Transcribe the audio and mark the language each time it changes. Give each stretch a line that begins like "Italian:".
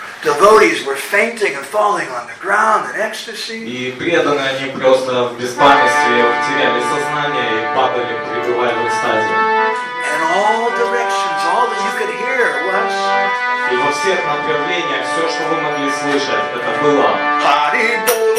English: Devotees were fainting and falling on the ground in ecstasy.
Russian: И преданные они просто в беспамятстве теряли сознание и падали, пребывая в экстазе.
English: In all directions, all that you could hear was.
Russian: И во всех направлениях все, что вы могли слышать, это было.